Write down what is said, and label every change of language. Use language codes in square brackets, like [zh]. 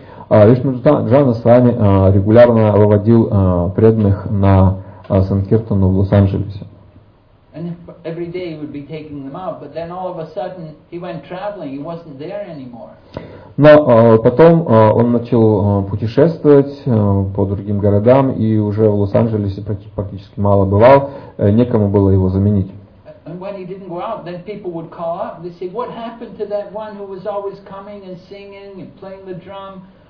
[ru] Вишну Джана Свами регулярно выводил преданных на Санкиртану в Лос-Анджелесе. [en] And every day he would be taking them out, but then all of a sudden he went traveling. He wasn't there anymore. [ru] Но потом он начал путешествовать по другим городам и уже в Лос-Анджелесе практически мало бывал. Некому было его заменить. [en] And when he didn't go out, then people would call up. They say, "What happened to that one who was always coming and singing and playing the drum?